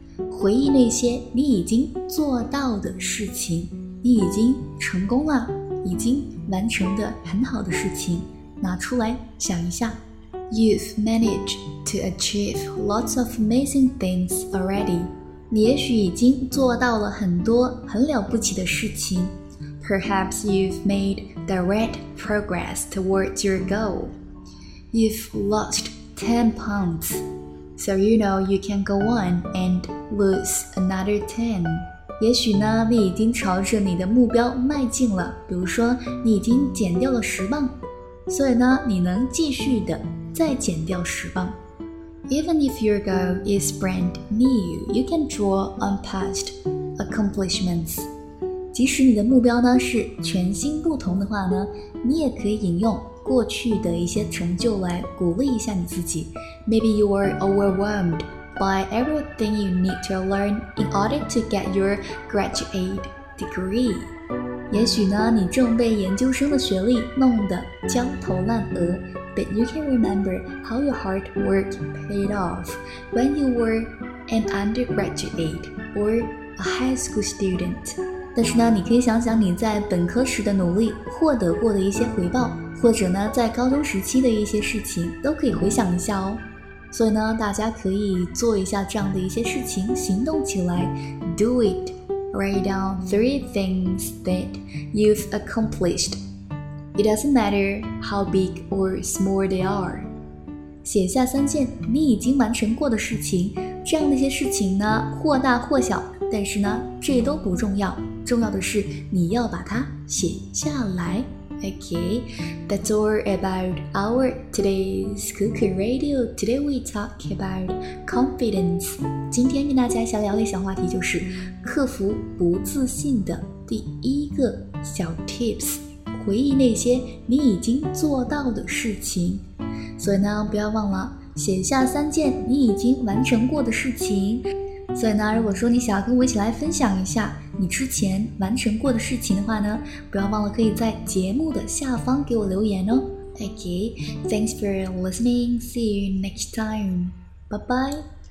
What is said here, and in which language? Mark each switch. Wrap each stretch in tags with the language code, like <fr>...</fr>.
<zh>回忆那些你已经做到的事情，你已经成功了，已经完成的很好的事情，拿出来想一下。</zh> <en>You've managed to achieve lots of amazing things already.</en> <zh>你也许已经做到了很多很了不起的事情。</zh> <en>Perhaps you've made direct progress towards your goal. You've lost 10 pounds. So you know you can go on and lose another 10.</en> <zh>也许呢，你已经朝着你的目标迈进了，比如说你已经减掉了十磅，所以呢，你能继续的再减掉十磅。</zh> <en>Even if your goal is brand new, you can draw on past accomplishments.</en> <zh>即使你的目标呢是全新不同的话呢，你也可以引用过去的一些成就来鼓励一下你自己。</zh> <en>Maybe you are overwhelmed by everything you need to learn in order to get your graduate degree.</en> <zh>也许呢，你正被研究生的学历弄得焦头烂额。</zh> <en>But you can remember how your hard work paid off when you were an undergraduate or a high school student.</en> <zh>但是呢，你可以想想你在本科时的努力获得过的一些回报。或者呢，在高中时期的一些事情都可以回想一下哦。所以呢，大家可以做一下这样的一些事情，行动起来。</zh> <en>Do it. Write down three things that you've accomplished. It doesn't matter how big or small they are.</en> <zh>写下三件你已经完成过的事情，这样的一些事情呢，或大或小，但是呢，这都不重要。重要的是你要把它写下来。</zh> <en>Okay, that's all about our today's Kuku Radio. Today we talk about confidence.</en> <zh>今天跟大家想聊的小话题就是克服不自信的第一个小 tips. 回忆那些你已经做到的事情。所以呢，不要忘了写下三件你已经完成过的事情。所以呢，如果说你想要跟我一起来分享一下你之前完成过的事情的话呢，不要忘了可以在节目的下方给我留言哦。</zh> <en>Okay, thanks for listening. See you next time. Bye bye.</en>